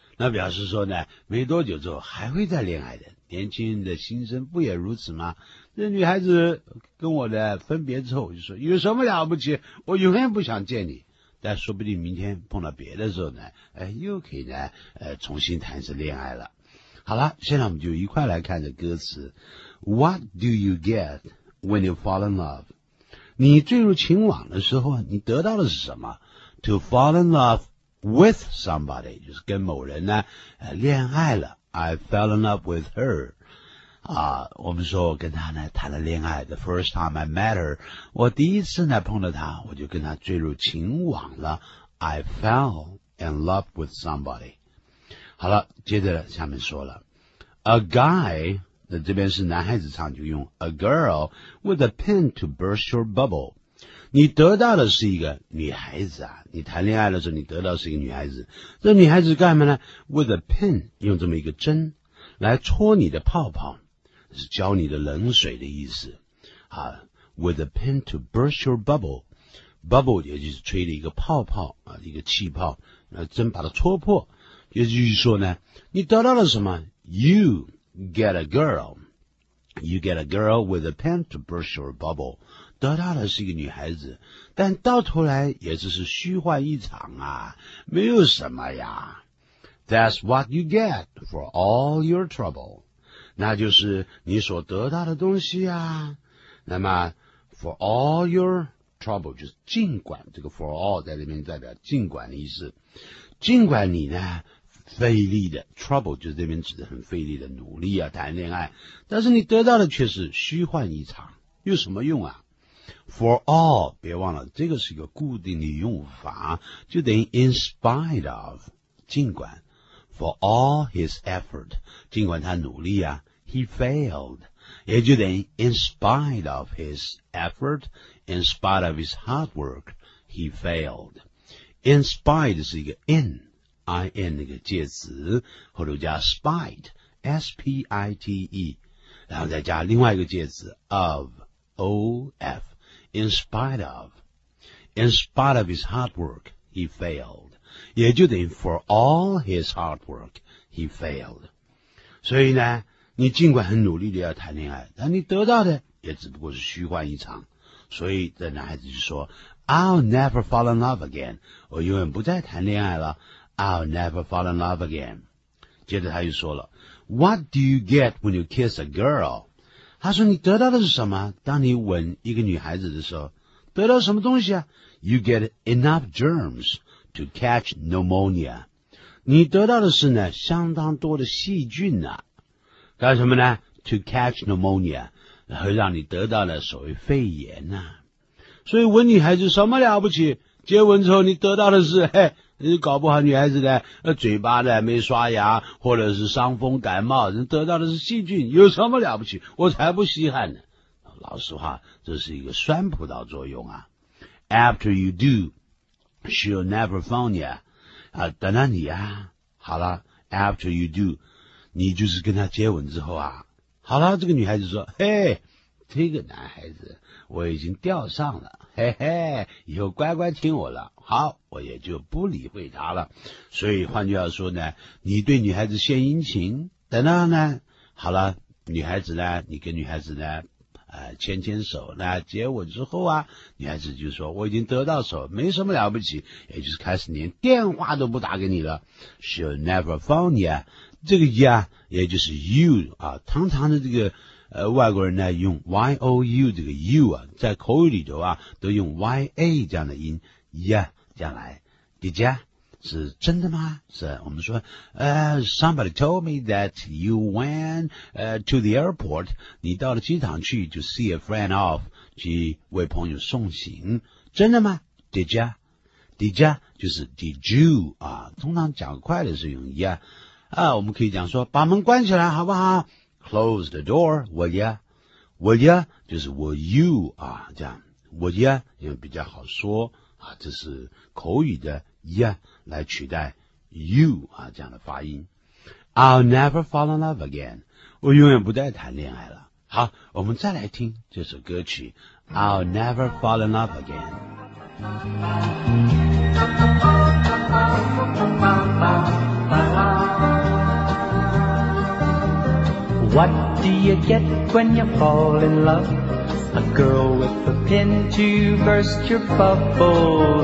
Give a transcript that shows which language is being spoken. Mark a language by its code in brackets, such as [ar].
[zh] 那表示说呢，没多久之后还会再恋爱的。年轻人的心声不也如此吗？那女孩子跟我的分别之后，我就说有什么了不起，我永远不想见你。但说不定明天碰到别的时候呢，又可以呢，重新谈一次恋爱了。好了，现在我们就一块来看这歌词。 [en] What do you get when you fall in love? [zh] 你坠入情网的时候，你得到的是什么？ [en] To fall in love with somebody, [zh] 就是跟某人呢，恋爱了。 [en] I fell in love with her. [zh] 啊，我们说我跟她呢谈了恋爱。 [en] The first time I met her, [zh] 我第一次呢碰到她，我就跟她坠入情网了。 [en] I fell in love with somebody. [zh] 好了，接着下面说了。 [en] A guy 那这边是男孩子唱，就用 A girl with a pen to burst your bubble。 [zh] 你得到的是一个女孩子啊，你谈恋爱的时候你得到的是一个女孩子。这女孩子干嘛呢 ? [en] with a pen, [zh] 用这么一个针来戳你的泡泡，是浇你的冷水的意思。 [en] 啊 ,with a pen to burst your bubble。 [zh] bubble 也就是吹了一个泡泡啊，一个气泡，针把它戳破。也就是说呢，你得到了什么 ? [en] you get a girl。 You get a girl with a pen to burst your bubble. [zh] 得到的是一个女孩子，但到头来也只是虚幻一场啊，没有什么呀。 [en] That's what you get for all your trouble. [zh] 那就是你所得到的东西啊。那么 [en] for all your trouble [zh] 就是尽管，这个 for all 在里面代表尽管的意思。尽管你呢费力的 trouble 就是这边指的很费力的努力啊，谈恋爱，但是你得到的却是虚幻一场，有什么用啊？ [en] For all [zh] 别忘了这个是一个固定的用法，就等于 [en] in spite of 尽管 for all his effort [zh] 尽管他努力啊 [en] he failed 也就等于 in spite of his effort in spite of his hard work he failed in spite [zh] 是一个 inIn 那个介词，后头加 [en] spite，S-P-I-T-E， [zh] 然后再加另外一个介词 [en] of，O-F，in spite of his hard work he failed， 也就等于 for all his hard work he failed。 [zh] 所以呢，你尽管很努力的要谈恋爱，但你得到的也只不过是虚幻一场。所以这男孩子就说 ， [en] I'll never fall in love again， [zh] 我永远不再谈恋爱了。 [en] I'll never fall in love again. [zh] 接着他又说了 [en] What do you get when you kiss a girl? [zh] 他说你得到的是什么？当你吻一个女孩子的时候，得到什么东西啊？ [en] You get enough germs to catch pneumonia. [zh] 你得到的是呢，相当多的细菌啊。干什么呢？ [en] To catch pneumonia， [zh] 然后让你得到了所谓肺炎啊。所以吻女孩子什么了不起？接吻之后你得到的是嘿，你搞不好女孩子的嘴巴的没刷牙，或者是伤风感冒，人得到的是细菌，有什么了不起？我才不稀罕呢。老实话，这是一个酸葡萄作用啊。 [en] After you do, she'll never phone you. [zh] 啊，等到你啊，好了 ， [en] After you do， [zh] 你就是跟她接吻之后啊，好了，这个女孩子说，嘿，这个男孩子我已经钓上了。嘿嘿，以后乖乖听我了，好，我也就不理会他了。所以换句话说呢，你对女孩子献殷勤，等到呢，好了，女孩子呢，你跟女孩子呢，牵牵手，那接吻之后啊，女孩子就说我已经得到手，没什么了不起，也就是开始连电话都不打给你了。 [en] She'll never phone you， [zh] 这个 yeah 也就是 you 啊，堂堂的这个。外国人呢用 you 这个 you 啊，在口语里头啊都用 ya 这样的音 ya 这样来。 [en] Did ya [zh] 是真的吗？ [en] 是我们说somebody told me that you went to the airport， [zh] 你到了机场去 [en] to see a friend off， [zh] 去为朋友送行，真的吗？ [en] Did ya？ [zh] Did ya 就是 did you 啊，通常讲快的是用 ya 啊，我们可以讲说把门关起来好不好？ [en] Close the door, will ya? Will ya? [zh] 就是 will you 啊，这样 will ya 因为比较好说啊，这是口语的 ya 来取代 you 啊这样的发音。 [en] I'll never fall in love again. [zh] 我永远不再谈恋爱了。好，我们再来听这首歌曲。 [en] I'll never fall in love again. What do you get when you fall in love? A girl with a pin to burst your bubble.